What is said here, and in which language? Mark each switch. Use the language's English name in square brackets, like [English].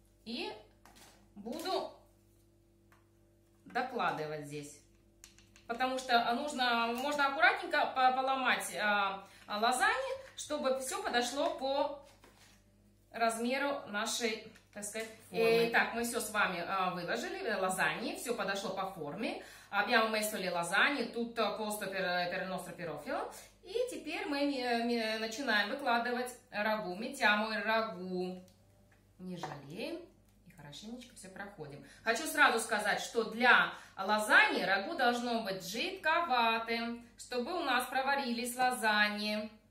[Russian] И буду докладывать здесь. Потому что можно аккуратненько поломать лазанью, чтобы все подошло по размеру нашей, так сказать, формы. Итак, мы все с вами выложили лазанью, все подошло по форме. [Italian] Abbiamo messo le lasagne, tutto posto per il nostro pirofilo. [Russian] И теперь мы начинаем выкладывать рагу, mettiamo il рагу. Не жалеем. Хорошенечко все проходим. Хочу сразу сказать, что для лазаньи рагу должно быть жидковатым, чтобы у нас проварились лазаньи.